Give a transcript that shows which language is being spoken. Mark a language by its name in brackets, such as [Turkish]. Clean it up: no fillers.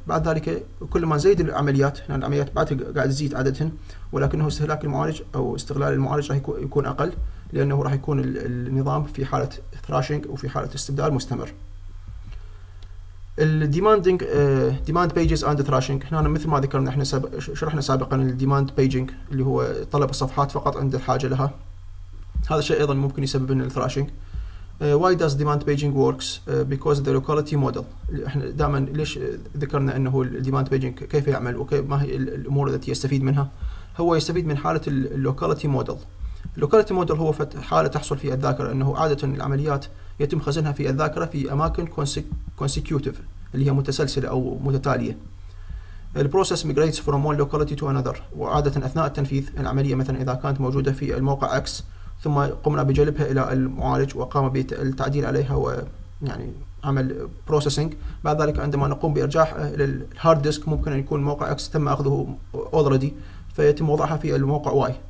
[Arabic] بعد ذلك كل ما زيد العمليات، لأن يعني العمليات بعد قاعد تزيد عددهن، ولكنه استهلاك المعالج أو استغلال المعالج راح يكون أقل، لأنه راح يكون النظام في حالة thrashing وفي حالة استبدال مستمر. الـ [English] demand pages and thrashing، [Arabic] هنا مثل ما ذكرنا احنا شرحنا سابقا الـ demand paging اللي هو طلب الصفحات فقط عند الحاجة لها، هذا الشيء أيضا ممكن يسبب لنا thrashing. [English] Why does demand paging works? Because the locality model. [Arabic] إحنا دائما ليش ذكرنا إنه demand paging كيف يعمل وكيف ما هي الأمور التي يستفيد منها؟ هو يستفيد من حالة locality model. Locality model هو حالة تحصل في الذاكرة، إنه عادة العمليات يتم خزنها في الذاكرة في أماكن consecutive اللي هي متسلسلة أو متتالية. [English] The process migrates from one locality to another. [Arabic] وعادة أثناء التنفيذ العملية مثلا إذا كانت موجودة في الموقع X، ثم قمنا بجلبها إلى المعالج وقام بالتعديل عليها ويعني عمل processing، بعد ذلك عندما نقوم بإرجاعها إلى الهارد ديسك ممكن أن يكون موقع X تم أخذه [English] already [Arabic] فيتم وضعها في الموقع Y.